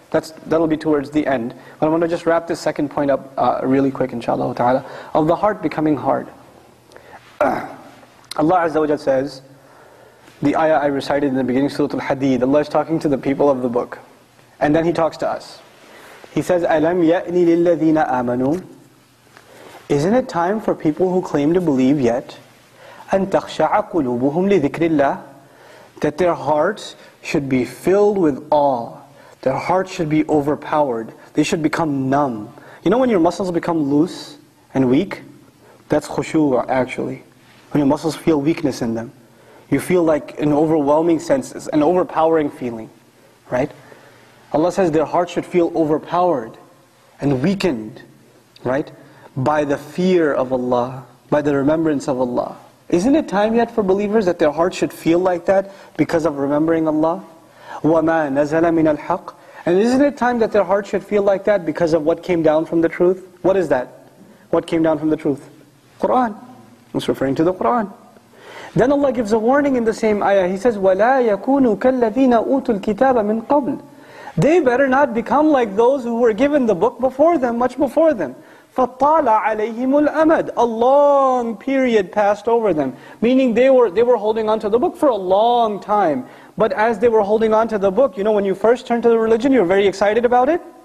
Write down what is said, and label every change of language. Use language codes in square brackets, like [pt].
[en] That'll be towards the end. But I want to just wrap this second point up really quick, inshallah ta'ala, of the heart becoming hard. Allah Azza wa Jalla says, the ayah I recited in the beginning, Surah Al-Hadid, Allah is talking to the people of the book. And then He talks to us. He says, [ar] أَلَمْ يَأْنِ لِلَّذِينَ آمَنُوا. [en] Isn't it time for people who claim to believe yet? [ar] أَنْ تَخْشَعَ قُلُوبُهُمْ لِذِكْرِ اللَّهِ. [en] That their hearts should be filled with awe. Their hearts should be overpowered. They should become numb. You know when your muscles become loose and weak? That's khushu actually. When your muscles feel weakness in them. You feel like an overwhelming sense, an overpowering feeling. Right? Allah says their hearts should feel overpowered and weakened. Right? By the fear of Allah. By the remembrance of Allah. Isn't it time yet for believers that their hearts should feel like that because of remembering Allah? [ar] وَمَا نَزَلَ مِنَ الْحَقِّ. [en] And isn't it time that their hearts should feel like that because of what came down from the truth? What is that? What came down from the truth? Qur'an. It's referring to the Qur'an. Then Allah gives a warning in the same ayah. He says, [ar] وَلَا يَكُونُوا كَالَّذِينَ أُوتُوا الْكِتَابَ مِنْ قَبْلِ. [en] They better not become like those who were given the book before them, much before them. [ar] فَطَّالَ عَلَيْهِمُ الْأَمَدِ. [en] A long period passed over them. Meaning they were holding on to the book for a long time. But as they were holding on to the book, you know when you first turn to the religion, you're very excited about it.